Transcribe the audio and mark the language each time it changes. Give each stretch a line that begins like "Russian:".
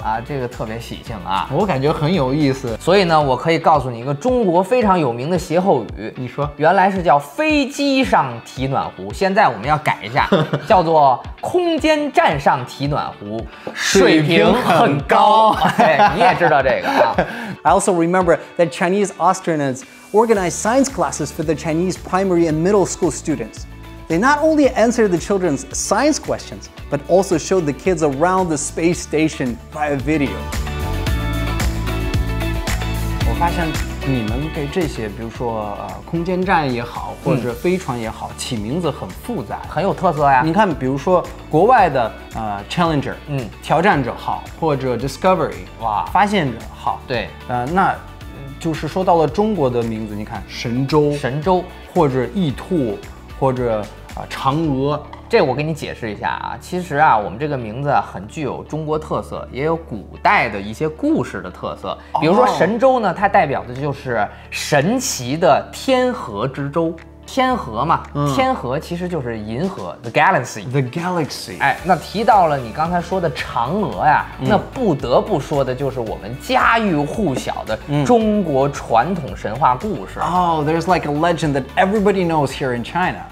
Chinese: 啊，这个特别喜庆啊，我感觉很有意思。所以呢，我可以告诉你一个中国非常有名的歇后语，你说，原来是叫飞机上提暖壶，现在我们要改一下，叫做空间站上提暖壶，水平很高。哎，你也知道这个啊。
English: I also remember that Chinese astronauts organized science classes for the Chinese primary and middle school students. They not only answer the children's science questions, but also show the kids around the space station by a video.
Chinese: 我发现你们给这些，比如说空间站也好，或者飞船也好，起名字很复杂，很有特色呀。你看，比如说国外的Challenger， 挑战者号，或者 Discovery， 哇，发现者号，对，那就是说到了中国的名字，你看神舟，或者翼兔。或者嫦娥，这我给你解释一下啊。其实啊，我们这个名字很具有中国特色，也有古代的一些故事的特色。比如说神舟呢，它代表的就是神奇的天河之舟。天河嘛，天河其实就是银河 ，
English: the galaxy。 the galaxy。
Chinese: 哎，那提到了你刚才说的嫦娥呀，那不得不说的就是我们家喻户晓的中国传统神话故事。
English: There's like a legend that everybody knows here in China.